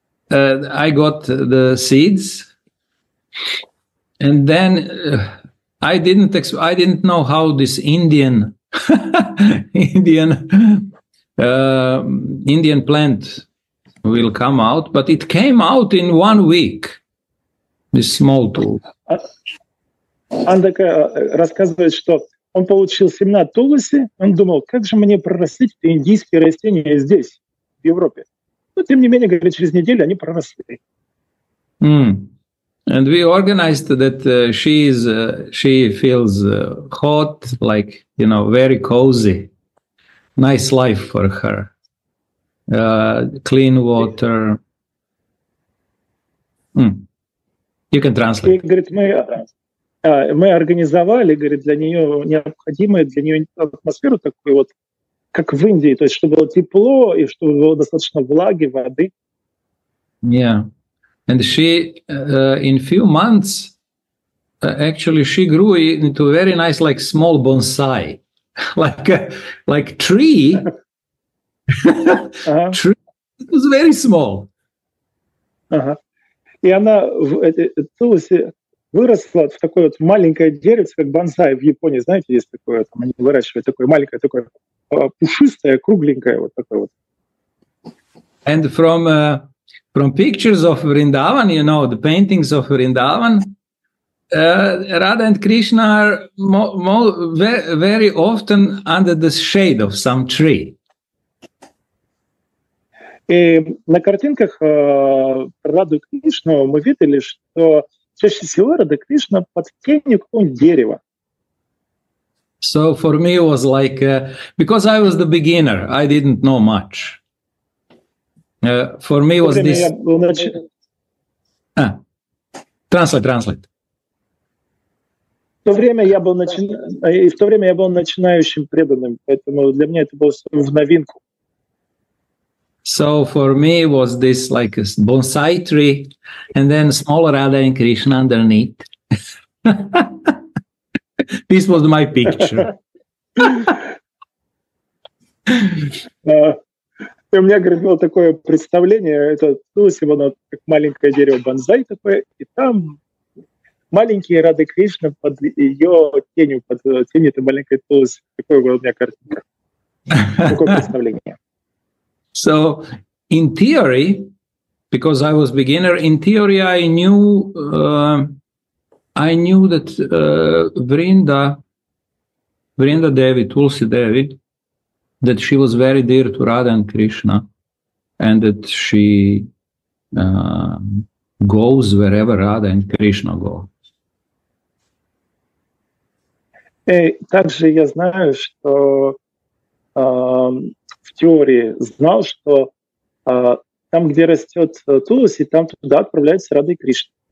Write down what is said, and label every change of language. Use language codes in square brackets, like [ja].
[en] I got the seeds, and then I didn't know how this Indian plant will come out, but it came out in 1 week. This small tool. [ru] Андака рассказывает, что он получил семена тулуси, он думал, как же мне прорастить эти индийские растения здесь, в Европе. Но, тем не менее, говорит, через неделю они проросли. Mm. [en] And we organized that she feels hot, like, you know, very cozy, nice life for her. Clean water. You can translate. [ru] Говорит, мы организовали, говорит, для нее необходимое, для нее атмосферу такую вот, как в Индии, то есть чтобы было тепло и чтобы было достаточно влаги, воды. [en] Yeah. And she, in few months, actually, she grew into a very nice, like, small bonsai, like a tree. Uh-huh. Tree. It was very small. [ru] Uh-huh. И она в Тулусе выросла в такое вот маленькое деревце, как бонсай в Японии. Знаете, есть такое, там они выращивают такое маленькое, такое пушистое, кругленькое, вот такое вот. [en] And from pictures of Vrindavan, you know, the paintings of Vrindavan, Radha and Krishna are very often under the shade of some tree. [ru] И на картинках Радхи Кришны мы видели, что чаще всего Радха Кришна под тенью какого-нибудь дерева. [en] So for me it was like, because I was the beginner, I didn't know much. For me was this. Translate. [ru] В то время я был начинающим преданным, поэтому для меня это было в новинку. [en] So for me was this like a bonsai tree, and then smaller Radha and Krishna underneath. This was my picture. [ru] И у меня, говорит, было такое представление, это Туласи, оно как маленькое дерево бонзай такое, и там маленькие Рады Кришны под ее тенью, под тенью этой маленькой Туласи. Такое было у меня картинка. Такое представление. [en] So, in theory, because I was beginner, in theory I knew that Vrinda Devi, Tulsi Devi, that she was very dear to Radha and Krishna, and that she goes wherever Radha and Krishna go. [ru] Также я знаю, что в теории знал, что там, где растет Туласи, там туда отправляются Радха и Кришна.